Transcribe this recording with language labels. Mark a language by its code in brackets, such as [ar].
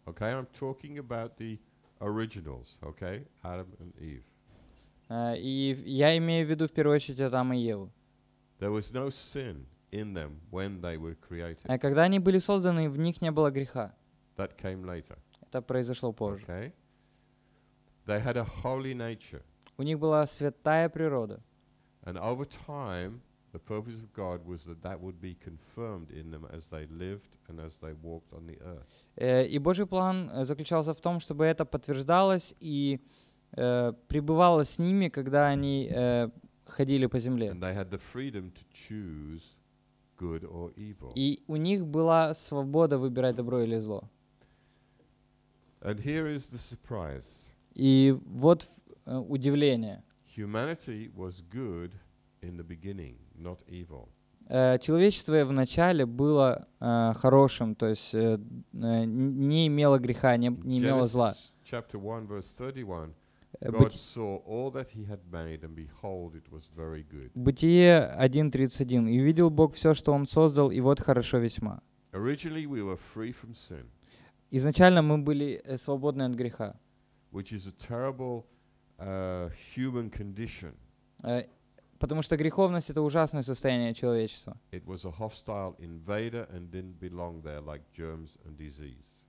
[en] Okay, I'm talking about the originals, okay? Adam and Eve. [ru] И я имею в виду в первую очередь Адама и Еву. [en] There was no sin in them when they were created. [ru] Когда они были созданы, в них не было греха. [en] That came later. [ru] Это произошло позже. [en] Okay. They had a holy nature. [ru] У них была святая природа. [en] And over time, the purpose of God was that that would be confirmed in them as they lived and as they walked on the earth. [ru] И Божий план заключался в том, чтобы это подтверждалось и пребывало с ними, когда они ходили по земле. [en] And they had the freedom to choose good or evil. [ru] И у них была свобода выбирать добро или зло. [en] And here is the surprise. [ru] И вот удивление. [en] Humanity was good in the beginning, not evil. [ru] Человечество в начале было хорошим, то есть не имело греха, не имело зла. [en] Genesis chapter 1, verse 31. God saw all that he had made, and behold, it was very good. [ru] Бытие 1:31. И видел Бог все, что он создал, и вот хорошо весьма. [en] Originally we were free from sin. [ru] Изначально мы были свободны от греха. [en] Which is a terrible human condition. [ru] Потому что греховность — это ужасное состояние человечества. [en] It was a hostile invader and didn't belong there, like germs and disease.